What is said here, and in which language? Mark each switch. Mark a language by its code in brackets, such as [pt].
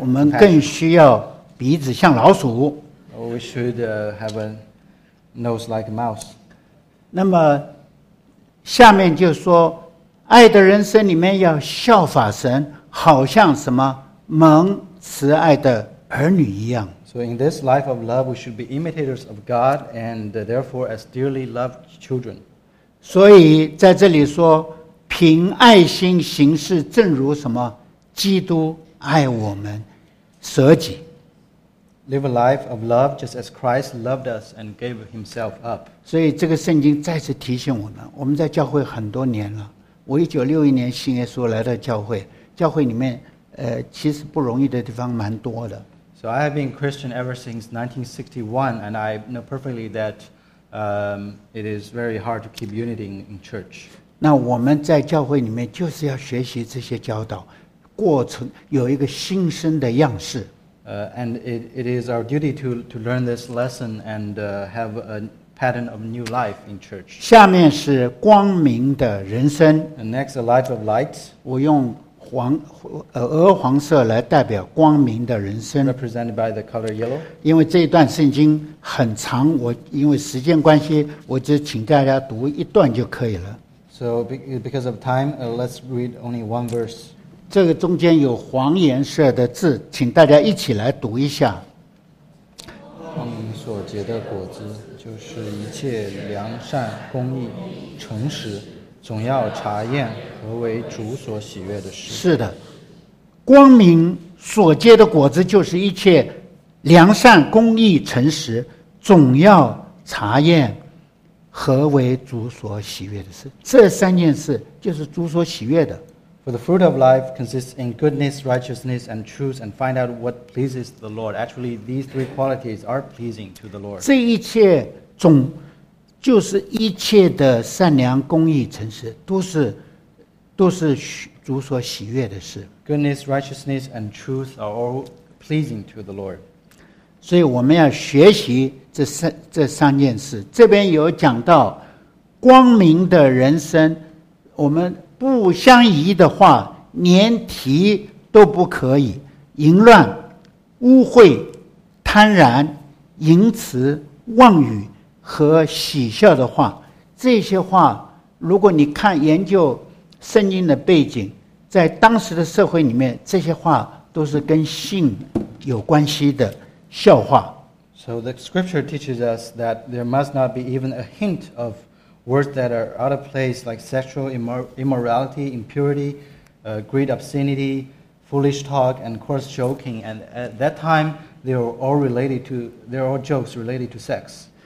[zh] 我们更需要鼻子像老鼠。 [en] We should have a nose like a mouse. [zh] 那么下面就说，爱的人生里面要效法神，好像什么蒙慈爱的儿女一样。 [en] So in this life of love, we should be imitators of God, and therefore as dearly loved children. [zh] 所以在这里说，凭爱心行事，正如什么？基督爱我们，舍己。 [en] Live a life of love, just as Christ loved us and gave Himself up. [zh] 所以这个圣经再次提醒我们，我们在教会很多年了。我1961年信耶稣来到教会，教会里面其实不容易的地方蛮多的。 [en] So I have been Christian ever since 1961, and I know perfectly that it is very hard to keep unity in church. [zh] 那我们在教会里面就是要学习这些教导，过程有一个新生的样式。 [en] And it is our duty to learn this lesson and have a pattern of new life in church. [zh] 下面是光明的人生。 [en] And next, a life of light. [zh] 我用鹅黄色来代表光明的人生。 [en] Represented by the color yellow. [zh] 因为这一段圣经很长，我因为时间关系，我只请大家读一段就可以了。 [en] So because of time, let's read only one verse. [zh] 这个中间有黄颜色的字，请大家一起来读一下。光明所结的果子，就是一切良善、公义、诚实，总要查验何为主所喜悦的事。是的，光明所结的果子就是一切良善、公义、诚实，总要查验何为主所喜悦的事。这三件事就是主所喜悦的。 [en] For the fruit of life consists in goodness, righteousness, and truth, and find out what pleases the Lord. Actually, these three qualities are pleasing to the Lord. [zh] 这一切总就是一切的善良、公义、诚实，都是主所喜悦的事。 [en] Goodness, righteousness, and truth are all pleasing to the Lord. [zh] 所以我们要学习这三件事。这边有讲到光明的人生，我们。不相宜的话，连提都不可以。淫乱、污秽、贪婪、淫词、妄语和喜笑的话，这些话，如果你看研究圣经的背景，在当时的社会里面，这些话都是跟性有关系的笑话。 [en] So the scripture teaches us that there must not be even a hint of. Words that are out of place, like sexual immorality, impurity, greed, obscenity, foolish talk, and coarse joking. And at that time, they're all jokes related to sex.